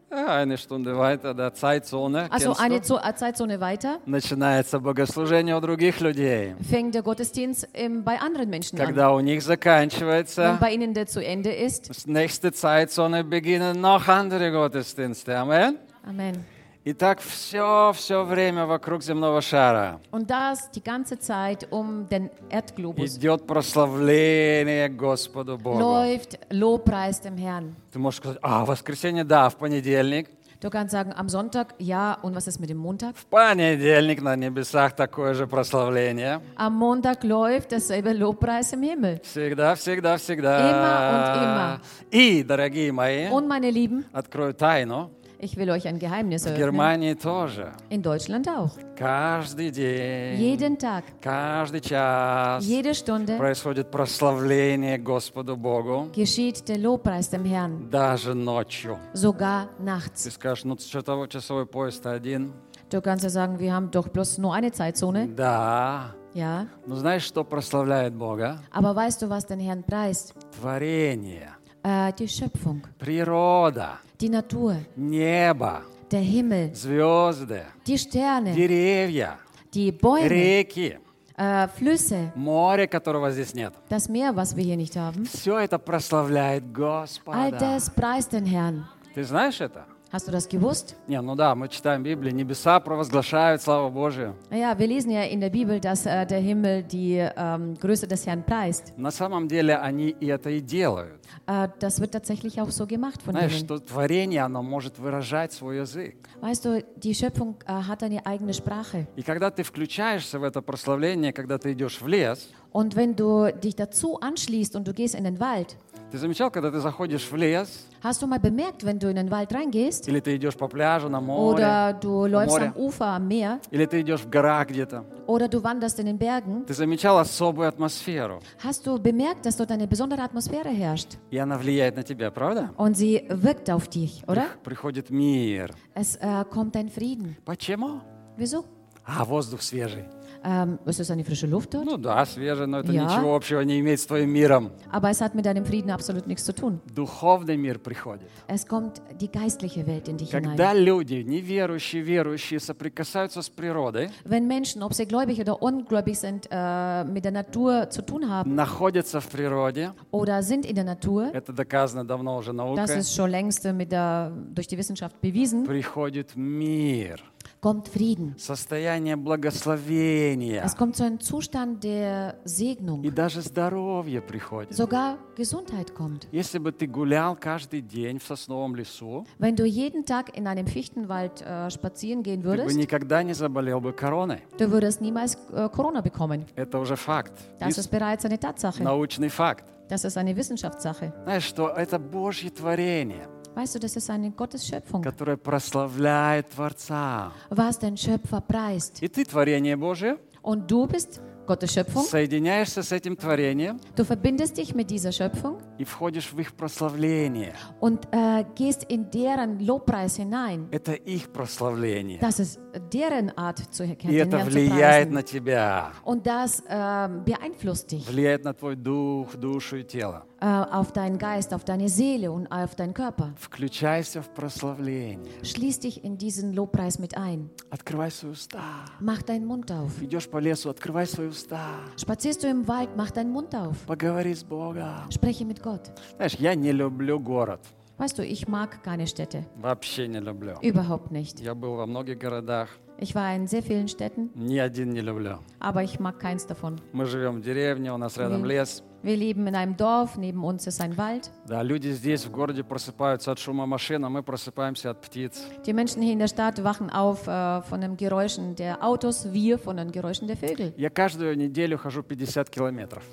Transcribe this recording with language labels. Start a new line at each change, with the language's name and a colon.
German: Ja, eine Stunde weiter, da Zeitzone. Also eine Zeitzone weiter.
Russian: Начинается богослужение у других людей.
German: Fängt der Gottesdienst bei anderen Menschen
Russian: когда
German: an.
Russian: Когда у них заканчивается.
German: Wenn bei ihnen der zu Ende ist. Nächste Zeitzone beginnen noch andere Gottesdienste. Amen. Amen.
Russian: И так все время вокруг земного шара.
German: Und das die ganze Zeit den Erdglobus.
Russian: Идет прославление Господу Богу.
German: Läuft Lobpreis dem Herrn.
Russian: Ты можешь сказать, а, воскресенье, да, в понедельник.
German: Du kannst sagen, am Sonntag, ja, und was ist mit dem Montag?
Russian: В понедельник на небесах такое же прославление.
German: Am Montag läuft dasselbe Lobpreis im Himmel.
Russian: Всегда, всегда, всегда.
German: Immer und immer.
Russian: И, дорогие мои,
German: und meine Lieben,
Russian: открою тайну.
German: Ich will euch ein Geheimnis öffnen.
Russian: Германии тоже.
German: In Deutschland auch.
Russian: Каждый день.
German: Jeden Tag.
Russian: Каждый час.
German: Jede Stunde.
Russian: Происходит прославление Господу Богу.
German: Geschieht der Lobpreis dem Herrn.
Russian: Даже ночью.
German: Sogar nachts.
Russian: Ты скажешь, ну часовой поезд один.
German: Du kannst ja sagen, wir haben doch bloß nur eine Zeitzone.
Russian: Да.
German: Ja.
Russian: Но знаешь, что прославляет Бога?
German: Aber weißt du, was den Herrn preist?
Russian: Творение.
German: Die Schöpfung.
Russian: Природа.
German: Die Natur.
Russian: Небо.
German: Der Himmel.
Russian: Звезды.
German: Die Sterne.
Russian: Деревья.
German: Die Bäume.
Russian: Реки.
German: Flüsse.
Russian: Море, которого здесь нет.
German: Das Meer, was wir hier nicht haben.
Russian: Все это прославляет Господа.
German: All das preist den Herrn.
Russian: Ты знаешь это?
German: Hast du das gewusst?
Russian: Не, ну да, мы читаем в Библии, небеса провозглашают славу Божию.
German: Ja, wir lesen ja in der Bibel, dass der Himmel die Größe des Herrn preist.
Russian: На самом деле они и это и делают.
German: Das wird tatsächlich auch so gemacht von ihnen.
Russian: Что творение, оно может выражать свой язык.
German: Weißt du, die Schöpfung hat eine eigene Sprache.
Russian: И когда ты включаешься в это прославление, когда ты идешь в лес.
German: Und wenn du dich dazu anschließt und du gehst in den Wald.
Russian: Ты замечал, когда ты заходишь в лес?
German: Hast du mal bemerkt, wenn du in den Wald reingehst?
Russian: Или ты идешь по пляжу на море?
German: Oder du läufst am Ufer, am Meer?
Russian: Или ты идешь в горах где-то?
German: Oder du wanderst in den Bergen?
Russian: Ты замечал особую атмосферу?
German: Hast du bemerkt, dass dort eine besondere Atmosphäre herrscht?
Russian: И она влияет на тебя, правда?
German: Und sie wirkt auf dich, oder?
Russian: Приходит мир.
German: Es kommt ein Frieden.
Russian: Почему?
German: Wieso?
Russian: А воздух свежий.
German: Ist das eine frische Luft dort?
Russian: Ну да, свежая, но это ja. Ничего общего не имеет с твоим миром.
German: Aber es hat mit deinem Frieden absolut nichts zu tun.
Russian: Духовный мир приходит.
German: Es kommt die geistliche Welt in dich
Russian: когда
German: hinein.
Russian: Когда люди, неверующие, верующие, соприкасаются с природой,
German: wenn Menschen, ob sie gläubig oder ungläubig sind, mit der Natur zu tun haben,
Russian: находятся в природе,
German: oder sind in der Natur,
Russian: это доказано давно уже наукой,
German: das ist schon längst durch die Wissenschaft bewiesen,
Russian: приходит мир.
German: Kommt Frieden.
Russian: Состояние благословения.
German: Es kommt zu einem Zustand der Segnung.
Russian: И даже здоровье приходит.
German: Sogar Gesundheit kommt.
Russian: Если бы ты гулял каждый день в сосновом лесу,
German: wenn du jeden Tag in einem Fichtenwald spazieren gehen würdest,
Russian: ты бы никогда не заболел бы короной.
German: Du würdest niemals Corona bekommen.
Russian: Это уже факт.
German: Das ist bereits eine Tatsache.
Russian: Научный факт.
German: Das ist eine Wissenschaftssache.
Russian: Знаешь, что это Божье творение.
German: Weißt du, das ist eine Gottesschöpfung,
Russian: которая прославляет Творца.
German: Was den Schöpfer preist.
Russian: И ты творение Божие.
German: Und du bist Gottes Schöpfung.
Russian: Соединяешься с этим творением.
German: Du verbindest dich mit dieser Schöpfung.
Russian: И входишь в их прославление.
German: Und gehst in deren Lobpreis hinein.
Russian: Это их прославление.
German: Das ist deren Art zu erkennen.
Russian: И это влияет на тебя.
German: Und das beeinflusst dich.
Russian: Влияет на твой дух, душу и тело.
German: Auf deinen Geist, auf deine Seele und auf deinen Körper.
Russian: Включайся в прославление.
German: Schließ dich in diesen Lobpreis mit ein.
Russian: Открывай свои уста.
German: Mach deinen Mund auf.
Russian: Идешь по лесу, открывай свои уста.
German: Spazierst du im Wald, mach deinen Mund auf.
Russian: Поговори с Богом.
German: Spreche mit Gott.
Russian: Знаешь, я не люблю город.
German: Weißt du, ich mag keine Städte.
Russian: Вообще не люблю.
German: Überhaupt nicht.
Russian: Я был во многих городах.
German: Ich war in sehr vielen Städten.
Russian: Ни один не люблю.
German: Aber ich mag keins davon.
Russian: Мы живем в деревне, у нас рядом лес.
German: Wir leben in einem Dorf, neben uns ist ein Wald.
Russian: Да, люди здесь в городе просыпаются от шума машин, а мы просыпаемся от птиц.
German: Die Menschen hier in der Stadt wachen auf von den Geräuschen der Autos, wir von den Geräuschen der Vögel.
Russian: Я каждую неделю хожу 50 километров.